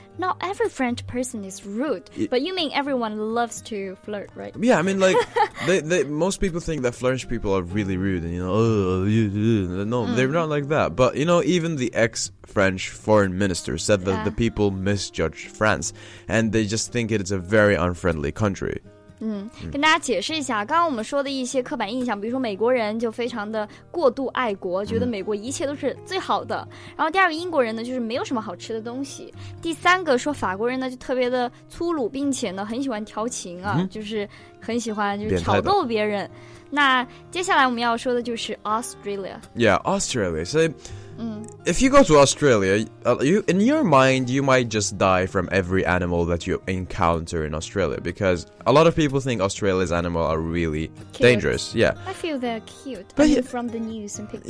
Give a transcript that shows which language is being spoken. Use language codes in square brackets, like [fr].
[en] Not every French person is rude, but you mean everyone loves to flirt, right? Yeah, I mean, like, most people think that French people are really rude, and, you know, they're not like that. But, you know, even the ex-French foreign minister said that the people misjudge France, and they just think it's a very unfriendly country. [zh] 跟大家解释一下，刚刚我们说的一些刻板印象，比如说美国人就非常的过度爱国，觉得美国一切都是最好的。然后第二个英国人呢，就是没有什么好吃的东西。第三个说法国人呢，就特别的粗鲁，并且呢很喜欢调情啊，就是很喜欢就是挑逗别人。那接下来我们要说的就是 Australia。 [en] Yeah, Australia. So, if you go to Australia, in your mind, you might just die from every animal that you encounter in Australia, because a lot of people think Australia's animals are really cute. Dangerous. Yeah. I feel they're cute, but from the news and pictures.